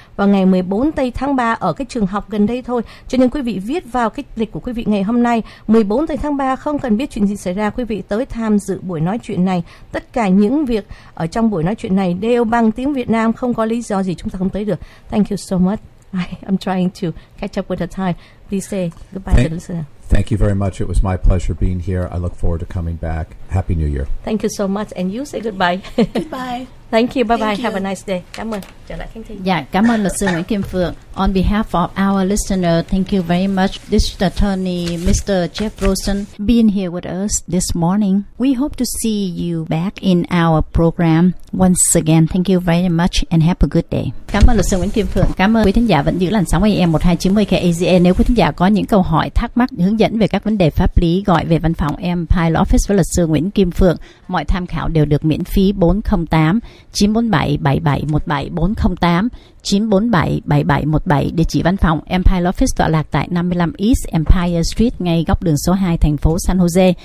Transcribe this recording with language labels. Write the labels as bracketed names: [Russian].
[Vietnamese] Vào ngày 14 tây tháng 3 ở cái trường học gần đây thôi, cho nên quý vị viết vào cái lịch của quý vị ngày hôm nay, 14 tây tháng 3, không cần biết chuyện gì xảy ra, quý vị tới tham dự buổi nói chuyện này. Tất cả những việc ở trong buổi nói chuyện này đều bằng tiếng Việt Nam, không có lý do gì chúng ta không tới được. [English] Thank you so much. I'm trying to catch up with the time. Please say goodbye to the listener. Thank you very much. It was my pleasure being here. I look forward to coming back. Happy New Year. Thank you so much. And you say goodbye. Goodbye. Thank you. Bye-bye. Have a nice day. [Vietnamese] Cảm ơn. Trở lại khán thính. Dạ, cảm ơn luật sư Nguyễn Kim Phượng. [English] On behalf of our listener, thank you very much, District Attorney Mr. Jeff Rosen, being here with us this morning. We hope to see you back in our program once again. Thank you very much and have a good day. [Vietnamese] Cảm ơn luật sư Nguyễn Kim Phượng. Cảm ơn quý thính giả vẫn giữ làn sóng AM 1290 KAZN. Nếu quý thính giả có những câu hỏi, thắc mắc, hướng dẫn về các vấn đề pháp lý, gọi về văn phòng Empire Office với luật sư Nguyễn Kim Phượng. Mọi tham khảo đều được miễn phí. 408-947-7717, 408-947-7717, địa chỉ văn phòng Empire Office tọa lạc tại 55 East Empire Street, ngay góc đường số 2, thành phố San Jose.